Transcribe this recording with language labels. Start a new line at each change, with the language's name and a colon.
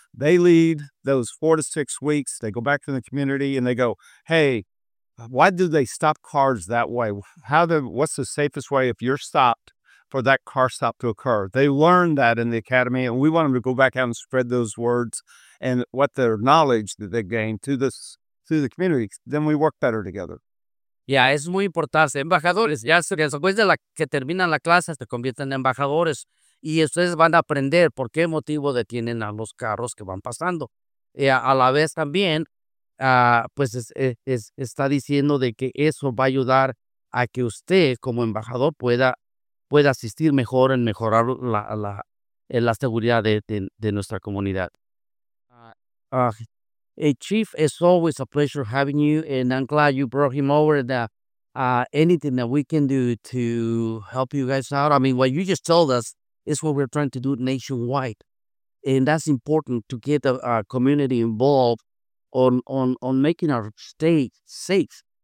English: They lead those 4 to 6 weeks. They go back to the community and they go, hey, why do they stop cars that way? What's the safest way if you're stopped for that car stop to occur? They learn that in the academy, and we want them to go back out and spread those words and what their knowledge that they gained to this through the community. Then we work better together.
Spanish: Yeah, es muy importante. Embajadores, ya se que después de la que terminan la clase se convierten en embajadores y ustedes van a aprender por qué motivo detienen a los carros que van pasando. Y a la vez también, pues está diciendo de que eso va a ayudar a que usted como embajador pueda asistir mejor en mejorar la seguridad de nuestra comunidad.
English: Chief, it's always a pleasure having you, and I'm glad you brought him over. Anything that we can do to help you guys out. I mean, what you just told us is what we're trying to do nationwide. And that's important to get our community involved on making our state safe.